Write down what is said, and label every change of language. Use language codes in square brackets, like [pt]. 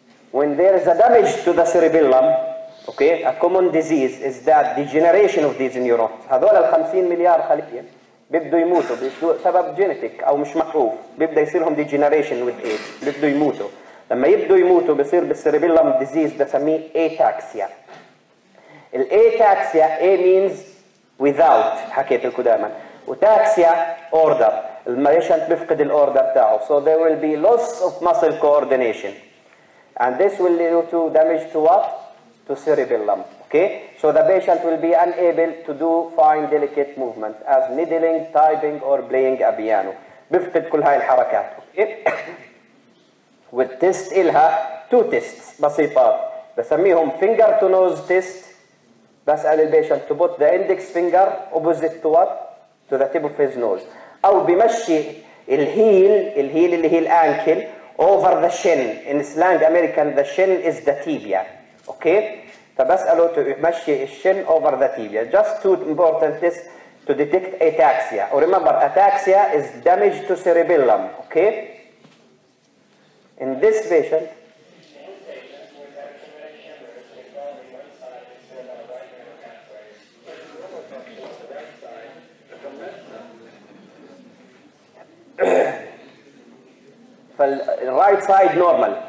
[en] When there is a damage to the cerebellum, okay, a common disease is that degeneration of these neurons. [ar] هذول ال 50 مليار خلية بيبدو يموتوا بسبب جينيتيك او مش معروف، بيبدا يصيرهم ديجينريشن وذ ايج، بيبدو يموتوا. لما يبدو يموتوا بصير بالسيريبيلم ديزيز بسميه ايتاكسيا. الايتاكسيا اي مينز without، حكيت لكم دائما، وتاكسيا اوردر، الميشنت بيفقد الاوردر تاعه. [en] So there will be loss of muscle coordination. And this will lead to damage to what? To cerebellum. Okay, so the patient will be unable to do fine delicate movements as needling, typing or playing a piano. [ar] بفقد كل هاي الحركات. Okay, والتست إلها two tests بسيطات بسميهم [en] finger to nose test. [ar] بسأل البيشنت [en] to put the index finger opposite to what? To the tip of his nose. [ar] أو بمشي الهيل اللي هي الأنكل [en] over the shin. In slang American the shin is the tibia. [ar] Okay, فبسأله تمشي الشن [en] over the tibia. Just two important tests to detect ataxia. Or remember, ataxia is damage to cerebellum. Okay, in this patient, right side normal.